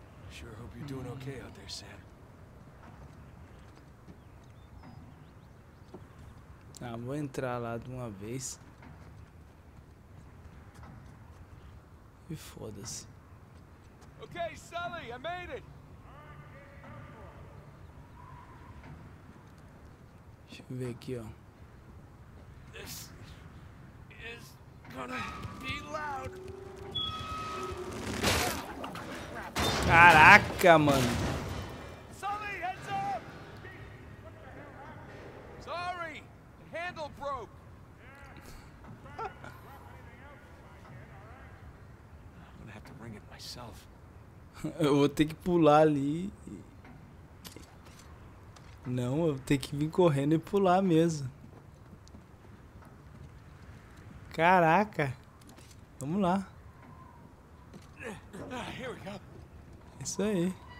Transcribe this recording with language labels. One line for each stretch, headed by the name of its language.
English: Sure hope you're doing okay out there, Sam.
Portuguese: Ah, vou entrar lá de uma vez. E foda-se.
English: Okay, Sully, I made it.
Portuguese: Deixa eu ver aqui, ó.
English: This is gonna be loud.
Portuguese: Caraca, mano.
English: Sully, heads up! Sorry, the handle broke. I'm gonna have to bring it myself.
Portuguese: Eu vou ter que pular ali. Não, eu vou ter que vir correndo e pular mesmo. Caraca. Vamos lá. Isso aí.